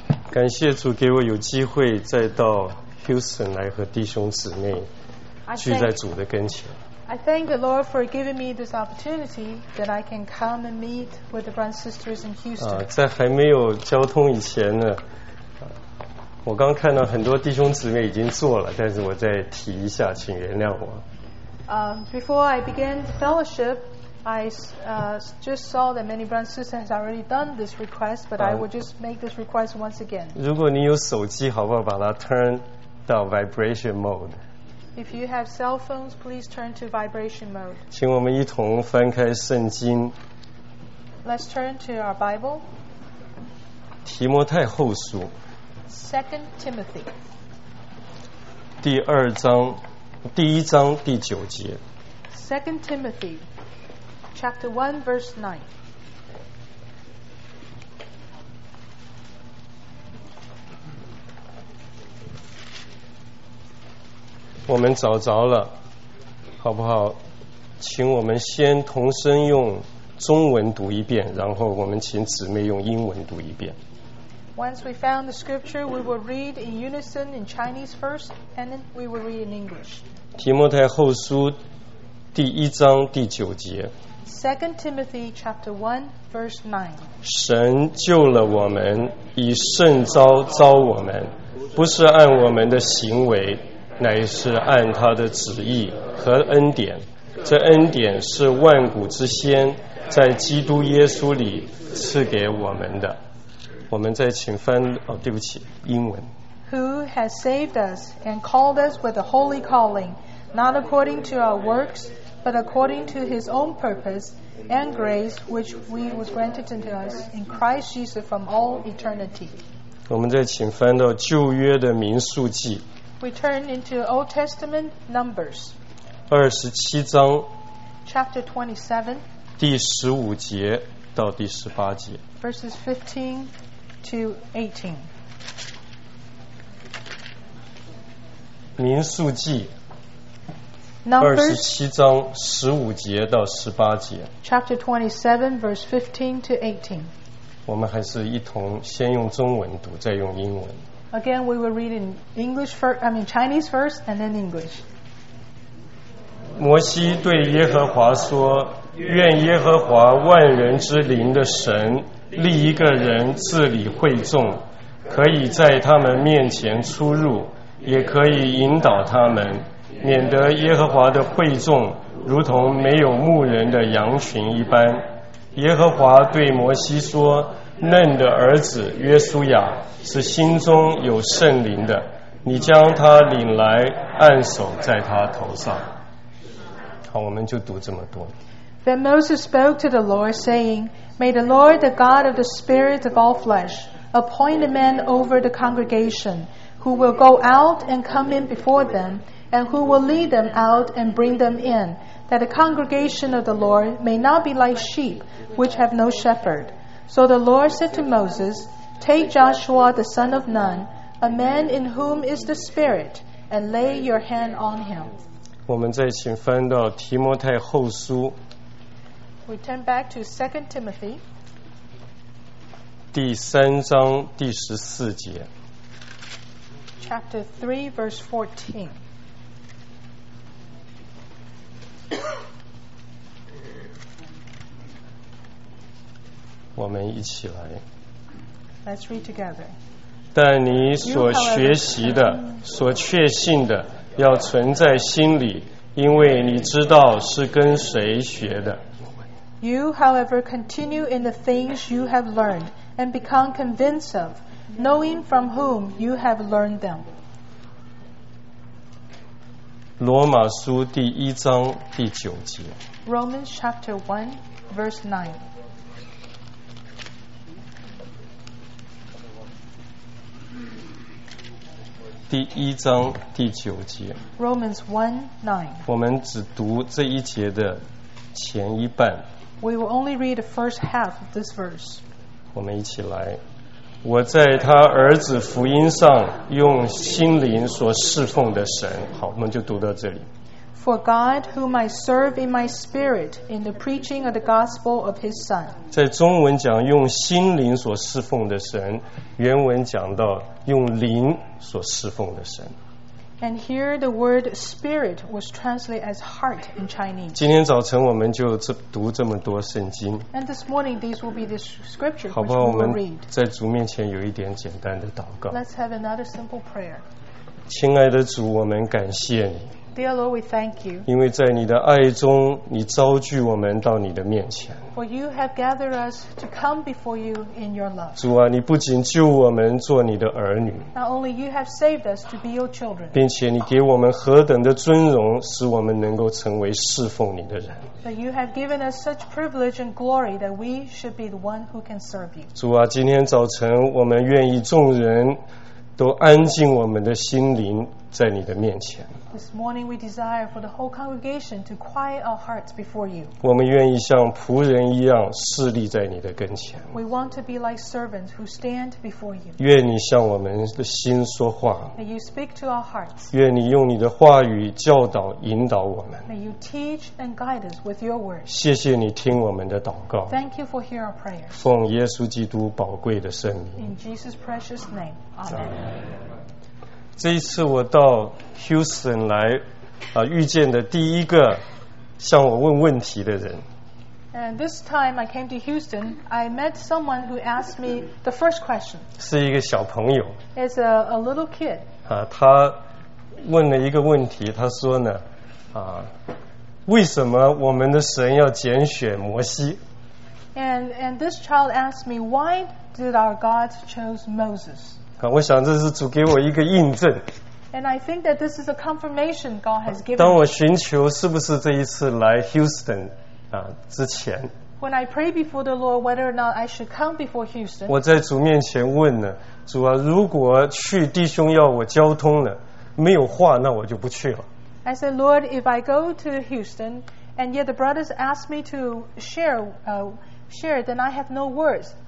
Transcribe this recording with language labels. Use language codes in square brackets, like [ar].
[zh] 感谢主给我有机会再到 Houston 来和弟兄姊妹聚在主的跟前。 [en] I thank the Lord for giving me this opportunity that I can come and meet with the brothers and sisters in Houston. [zh] 在还没有交通以前呢，我刚看到很多弟兄姊妹已经坐了，但是我再提一下，请原谅我。 [en] Before I began the fellowship, I just saw that many brothers and sisters have already done this request, but I will just make this request once again. [zh] 如果你有手机，好不好把它 [en] turn [zh] 到 [en] vibration mode? If you have cell phones, please turn to vibration mode. [zh] 请我们一同翻开圣经。 [en] Let's turn to our Bible. [zh] 提摩太后书。 [en] Second Timothy. [zh] 第二章，第一章第九节。 [en] Second Timothy. Chapter 1, verse 9. [zh] 我们找着了，好不好？请我们先同声用中文读一遍，然后我们请姊妹用英文读一遍。 [en] Once we found the scripture, we will read in unison in Chinese first, and then we will read in English. [zh] 提摩太后书第一章第九节。 [en] 2 Timothy chapter 1 verse 9. [zh] 神救了我们，以圣召召我们，不是按我们的行为，乃是按他的旨意和恩典。这恩典是万古之先，在基督耶稣里赐给我们的。我们再请翻，哦，对不起，英文。 [en] Who has saved us and called us with a holy calling, not according to our works,but according to his own purpose and grace, which we was granted unto us in Christ Jesus from all eternity. [zh] 我们再请翻到旧约的民数记。 [en] We turn into Old Testament Numbers. [zh] 二十七章。 [en] Chapter 27. [zh] 第十五节到第十八节。 [en] Verses 15 to 18. [zh] 民数记。二十七章十五节到十八节。 [en] Chapter 27, verse 15 to 18. [zh] 我们还是一同先用中文读，再用英文。 [en] Again, we will read in English first. I mean Chinese first, and then English. [zh] 摩西对耶和华说：“愿耶和华万人之灵的神立一个人治理会众，可以在他们面前出入，也可以引导他们。” 免得耶和华的会众如同没有牧人的羊群一般。耶和华对摩西说：嫩的儿子约书亚是心中有圣灵的，你将他领来，按手在他头上。好，我们就读这么多。 [en] Then Moses spoke to the Lord, saying, May the Lord, the God of the spirit of all flesh, appoint a man over the congregation, who will go out and come in before them,and who will lead them out and bring them in, that the congregation of the Lord may not be like sheep, which have no shepherd. So the Lord said to Moses, Take Joshua the son of Nun, a man in whom is the Spirit, and lay your hand on him. [zh] 我们再请翻到提摩太后书。 [en] We turn back to 2 Timothy. [zh] 第三章第十四节。 [en] Chapter 3, verse 14. [zh] 我们一起来。 [en] Let's read together. [zh] 但你所学习的，所确信的，要存在心里，因为你知道是跟谁学的。 [en] You, however, continue in the things you have learned and become convinced of, knowing from whom you have learned them. [zh] 罗马书第一章第九节。 [en] Romans chapter 1, verse 9. [zh] 第一章第九节。 [en] Romans 1:9. [zh] 我们只读这一节的前一半。 [en] We will only read the first half of this verse. [zh] 我们一起来。我在他儿子福音上用心灵所侍奉的神。好，我们就读到这里。 [en] for God whom I serve in my spirit in the preaching of the gospel of his son. [zh] 在中文讲用心灵所侍奉的神，原文讲到用灵所侍奉的神。 [en] And here the word spirit was translated as heart in Chinese. [zh] 今天早晨我们就读这么多圣经。 [en] And this morning these will be the scriptures [zh] 好不好，我们在主面前有一点简单的祷告。 [en] Let's have another simple prayer. [zh] 亲爱的主，我们感谢你。 [en] Dear Lord, we thank you. [zh] 因为在你的爱中，你召聚我们到你的面前。 [en] For you have gathered us to come before you in your love. [zh] 主啊，你不仅救我们做你的儿女。 [en] Not only you have saved us to be your children. [zh] 并且你给我们何等的尊荣，使我们能够成为侍奉你的人。 [en] That you have given us such privilege and glory that we should be the one who can serve you. [zh] 主啊，今天早晨我们愿意众人都安静我们的心灵在你的面前。 [en] This morning we desire for the whole congregation to quiet our hearts before you. [zh] 我们愿意像仆人一样侍立在你的跟前。 [en] We want to be like servants who stand before you. [zh] 愿你向我们的心说话。 [en] May you speak to our hearts. [zh] 愿你用你的话语教导引导我们。 [en] May you teach and guide us with your words. [zh] 谢谢你听我们的祷告。 [en] Thank you for hearing our prayers. [zh] 奉耶稣基督宝贵的圣名。 [en] In Jesus' precious name. Amen. [zh] 这一次我到 Houston 来、遇见的第一个向我问问题的人。 [en] And this time I came to Houston, I met someone who asked me the first question. [zh] 是一个小朋友。 [en] It's a little kid.、 [zh] 他问了一个问题，他说呢、为什么我们的神要拣选摩西？ [en] And this child asked me, why did our God choose Moses? [zh] 我想这是主给我一个印证。 [en] And I think that this is a confirmation God has given. [zh] 当我寻求是不是这一次来 Houston、之前。 [en] When I pray before the Lord whether or not I should come before Houston. [zh] 我在主面前问了，主啊，如果去弟兄要我交通了，没有话，那我就不去了。 [en] I said, Lord, if I go to Houston and yet the brothers ask me to share, then I have no words.